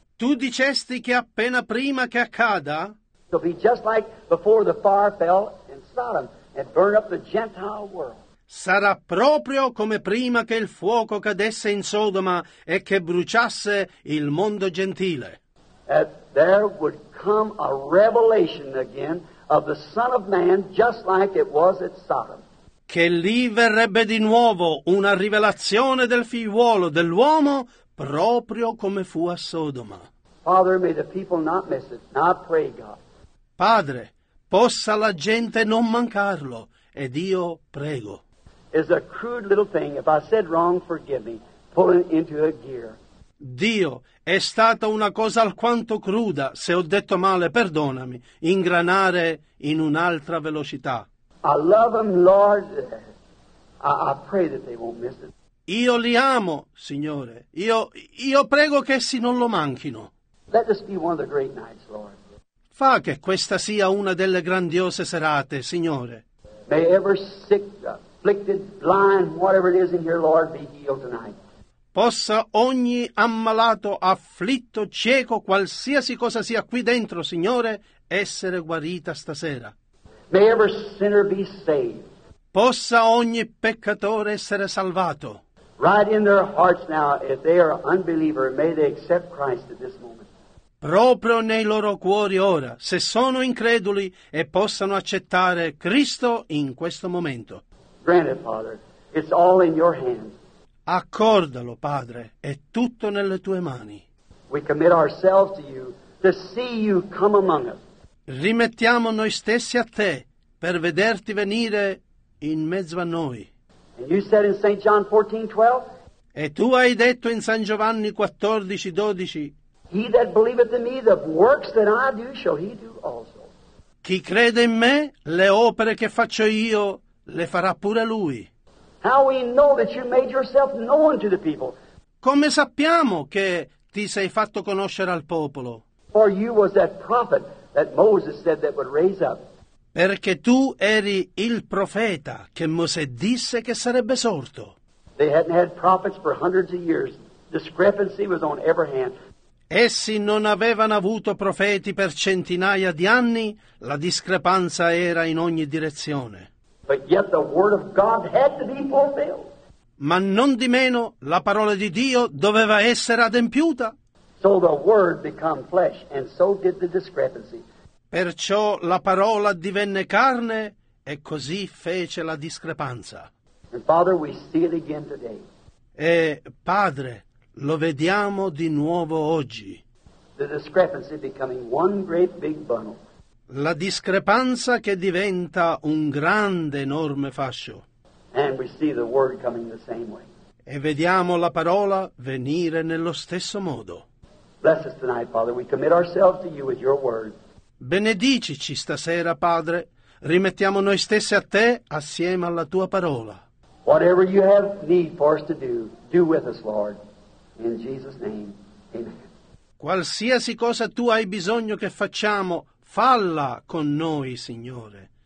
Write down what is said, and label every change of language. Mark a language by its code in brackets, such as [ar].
[it] Tu dicesti che appena prima che accada. [en] It'll be just like before the fire fell in Sodom and burned up the Gentile world. [it] Sarà proprio come prima che il fuoco cadesse in Sodoma e che bruciasse il mondo gentile. [en] That there would come a revelation again of the Son of Man, just like it was at Sodom. [it] Che lì verrebbe di nuovo una rivelazione del figliuolo dell'uomo, proprio come fu a Sodoma. [en] Father, may the people not miss it. Now I pray, God. [it] Padre, possa la gente non mancarlo, ed io prego. [en] It's a crude little thing. If I said wrong, forgive me. Pull it into a gear. [it] Dio, è stata una cosa alquanto cruda. Se ho detto male, perdonami. Ingranare in un'altra velocità. [en] I love them, Lord. I pray that they won't miss it. [it] Io li amo, Signore. Io prego che essi non lo manchino. [en] Let this be one of the great nights, Lord. [it] Fa che questa sia una delle grandiose serate, Signore. [en] May every sick, afflicted, blind, whatever it is in here, Lord, be healed tonight. [it] Possa ogni ammalato, afflitto, cieco, qualsiasi cosa sia qui dentro, Signore, essere guarita stasera. [en] May every sinner be saved. [it] Possa ogni peccatore essere salvato. [en] Right in their hearts now, if they are unbeliever, may they accept Christ at this moment. [it] Proprio nei loro cuori ora, se sono increduli e possano accettare Cristo in questo momento. [en] Granted, Father, it's all in your hands. [it] Accordalo, Padre, è tutto nelle tue mani. [en] We commit ourselves to you to see you come among us. [it] Rimettiamo noi stessi a te per vederti venire in mezzo a noi. [en] And you said in St. John 14:12. [it] E tu hai detto in San Giovanni 14:12. [en] He that believeth in me, the works that I do, shall he do also. [it] Chi crede in me, le opere che faccio io, le farà pure lui. [en] How we know that you made yourself known to the people. [it] Come sappiamo che ti sei fatto conoscere al popolo? [en] For you was that prophet that Moses said that would raise up. [it] Perché tu eri il profeta che Mosè disse che sarebbe sorto. [en] They hadn't had prophets for hundreds of years. Discrepancy was on every hand. [it] Essi non avevano avuto profeti per centinaia di anni, la discrepanza era in ogni direzione. [en] But yet the word of God had to be fulfilled. [it] Ma non di meno la parola di Dio doveva essere adempiuta. [en] So the word became flesh, and so did the discrepancy. [it] Perciò la parola divenne carne e così fece la discrepanza. [en] And Father, we see it again today. [it] E Padre, lo vediamo di nuovo oggi. [en] The discrepancy becoming one great big bundle. [it] La discrepanza che diventa un grande enorme fascio. [en] And we see the word coming the same way. [it] E vediamo la parola venire nello stesso modo. [en] Bless us tonight, Father. We commit ourselves to you with your word. [it] Benedicici stasera, Padre. Rimettiamo noi stessi a te assieme alla tua parola. [en] Whatever you have need for us to do, do with us, Lord. In Jesus' name, amen. [it] Qualsiasi cosa tu hai bisogno che facciamo, falla con noi, Signore.